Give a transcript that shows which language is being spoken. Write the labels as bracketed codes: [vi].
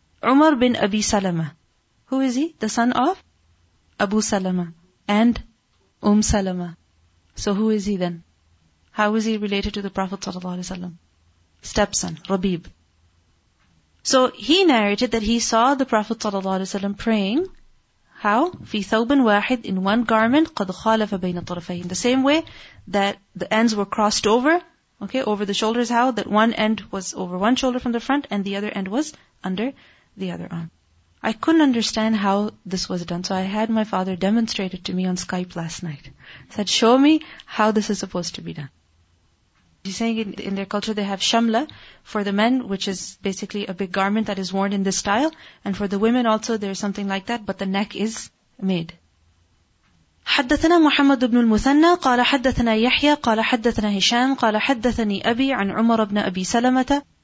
[en] عُمَر بْنُ أَبِي سَلَمَةَ, who is he? The son of Abu Salama and Salama. So who is he then? How is he related to the Prophet ﷺ? Stepson, Rabib. So he narrated that he saw the Prophet ﷺ praying How? [ar] في ثوب واحد, [en] in one garment, [ar] قد خالف بين الطرفين. [en] The same way that the ends were crossed over, okay, over the shoulders, how? That one end was over one shoulder from the front and the other end was under the other arm. I couldn't understand how this was done, so I had my father demonstrate it to me on Skype last night. He said, show me how this is supposed to be done. He's saying in their culture they have shamla for the men, which is basically a big garment that is worn in this style. And for the women also there is something like that, but the neck is made. [ar] حدثنا محمد بن المثنى قال حدثنا يحيى قال حدثنا هشام قال حدثني أبي عن عمر بن أبي سلمة.